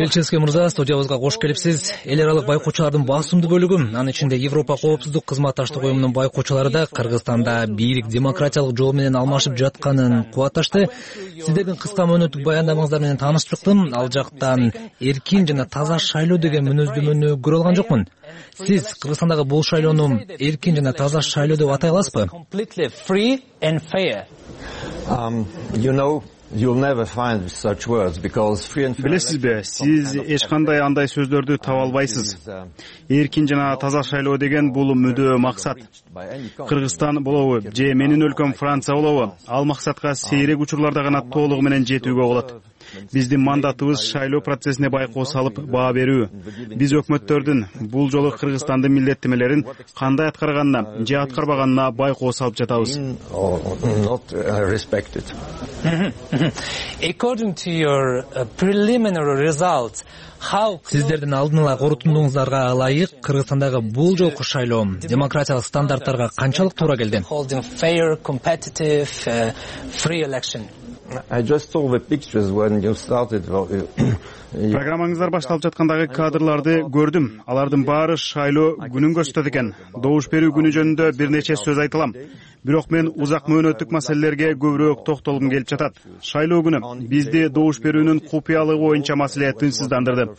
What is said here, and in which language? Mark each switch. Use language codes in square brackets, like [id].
[ky] Kilchevsky Mirza, студиябызга кош келипсиз. Эл аралык байкоочулардын басымдуу бөлүгү, анын ичинде Европа коопсуздук кызматташтык уюмунун байкоочулары да Кыргызстанда бийлик демократиялык жол менен алмашып жатканын кубатташты. Сиздердин кыска мөөнөттүк баяндамаңыздар менен тааныштыктым. Ал жактан эркин жана таза шайлоо деген мүнөздөмөнү көрө алган жокмун. Сиз Кыргызстандагы бул шайлоону эркин жана таза шайлоо деп атай аласызбы? [en] Completely free and fair. You'll never find such words because free and fair. [ky] Билесизби, сиз эч кандай андай сөздөрдү таба албайсыз. Эркин жана таза шайлоо деген бул мүдөө максат. Кыргызстан болобу же менин өлкөм Франция болобу, ал максатка сейрек учурларда гана толугу менен жетүүгө болот. Биздин мандатыбыз шайлоо процессине байкоо салып баа берүү. Биз өкмөттөрдүн бул жолу Кыргызстандын милдеттенмелерин кандай аткарганына же аткарбаганына байкоо салып жатабыз. [en] According to your preliminary results, [ky] сиздердин алдын ала корутундуңуздарга ылайык Кыргызстандагы бул жолку шайлоо демократиялык стандарттарга канчалык туура келди? [en] Fair, competitive, free election. I just saw the pictures when you started. [ky] Программаңыздар башталып жаткандагы кадрларды көрдүм. Алардын баары шайлоо күнүн көрсөтөт экен. Добуш берүү күнү жөнүндө бир нече сөз айтылам. Бирок мен узак мөөнөттүк маселелерге көбүрөөк токтолгум келип жатат. Шайлоо күнү бизди добуш берүүнүн купуялыгы боюнча маселе тынчсыздандырды.